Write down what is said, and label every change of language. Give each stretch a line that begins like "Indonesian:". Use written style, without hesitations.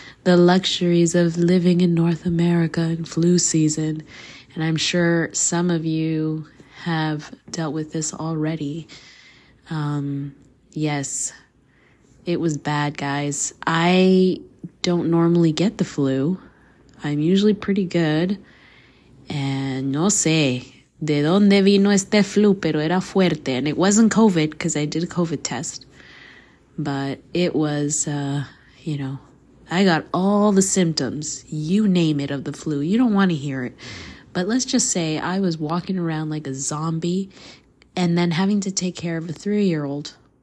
English: The luxuries of living in North America in flu season. And I'm sure some of you have dealt with this already. Yes, it was bad, guys. I don't normally get the flu. I'm usually pretty good. And
Spanish: no sé de dónde vino este flu, pero era fuerte.
English: And it wasn't COVID because I did a COVID test. But it was, you know, I got all the symptoms, you name it, of the flu. You don't want to hear it. But let's just say I was walking around like a zombie and then having to take care of a three-year-old.